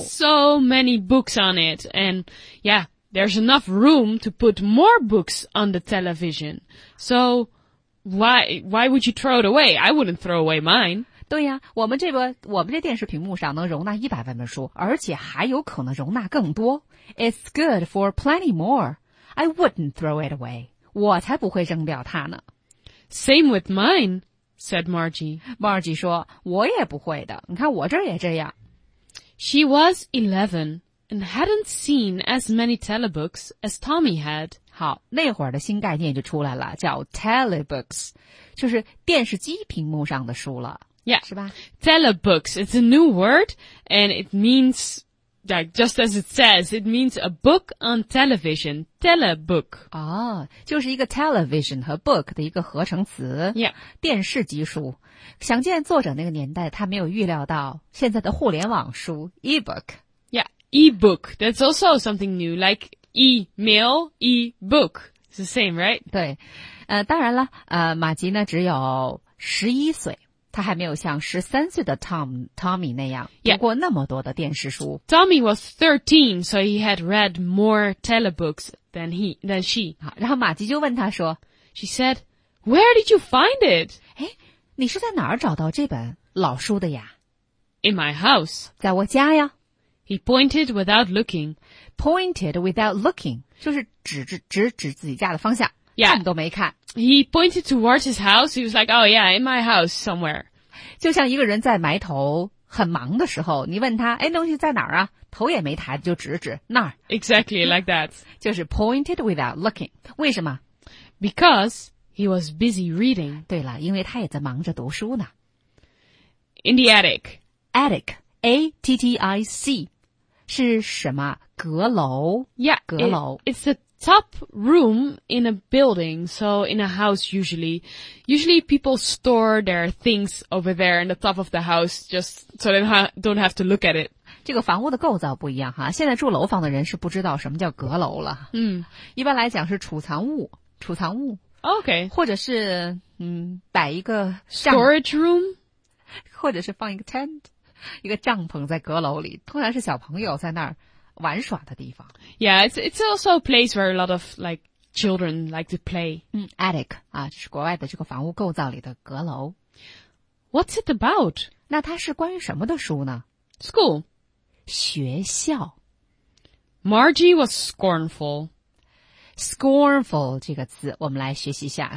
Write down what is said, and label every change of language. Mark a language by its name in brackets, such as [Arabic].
[English] Yeah, so many books on it, and yeah, there's enough room to put more books on the television. So why would you throw it away? I wouldn't throw away mine. [Chinese] 对呀，我们这电视屏幕上能容纳100万本书，而且还有可能容纳更多。 [English] It's good for plenty more. I wouldn't throw it away. [Chinese] 我才不会扔掉它呢。 [English] Same with mine, said Margie. [Chinese] Margie 说，我也不会的。你看我这也这样。 [English] She was 11 and hadn't seen as many telebooks as Tommy had. [Chinese] 好，那会儿的新概念就出来了，叫 telebooks, 就是电视机屏幕上的书了。 [English] Yeah, [Chinese] 是吧 [English] telebooks, it's a new word, and it means, like, just as it says, it means a book on television, telebook. [Chinese] 哦，就是一个 television 和 book 的一个合成词。 [English] Yeah. [Chinese] 电视机书。想见作者那个年代他没有预料到现在的互联网书 ,ebook. [English] Yeah, ebook, that's also something new, like email, ebook. It's the same, right? [Chinese] 对。当然了马吉呢只有11岁。他还没有像13岁的 Tommy 那样读过那么多的电视书。 [English] Yeah. Tommy was 13, so he had read more telebooks than she. [Chinese] 然后马吉就问他说 [English] She said, where did you find it? [Chinese] 你是在哪儿找到这本老书的呀 [English] In my house. [Chinese] 在我家呀。 [English] He pointed without looking. Pointed without looking. [Chinese] 就是指自己家的方向。 [English] Yeah. [Chinese] 看都没看。 [English] He pointed towards his house. He was like, oh yeah, in my house somewhere. [Chinese] 就像一个人在埋头很忙的时候，你问他，东西在哪儿啊？头也没抬就指指那儿。 [English] Exactly like that. [Chinese] 就是 [English] pointed without looking. [Chinese] 为什么？ [English] Because he was busy reading. [Chinese] 对了，因为他也在忙着读书呢。 [English] In the attic. Attic. A-T-T-I-C. [Chinese] 是什么？阁楼。 [English] Yeah. [Chinese] 阁楼。 [English] It's aTop room in a building, so in a house usually. Usually people store their things over there in the top of the house just so they don't have to look at it. [Chinese] 这个房屋的构造不一样哈，现在住楼房的人是不知道什么叫阁楼了。一般来讲是储藏物。 [English] Okay. [Chinese] 或者是摆一个 [English] Storage room? [Chinese] 或者是放一个 tent, 一个帐篷在阁楼里，通常是小朋友在那儿。玩耍的地方。 [English] Yeah, it's also a place where a lot of, like, children like to play. [Chinese] Attic, 就是国外的这个房屋构造里的阁楼。 [English] What's it about? [Chinese] 那它是关于什么的书呢? [English] School. [Chinese] 学校。 [English] Margie was scornful. [Chinese] Scornful 这个字我们来学习一下。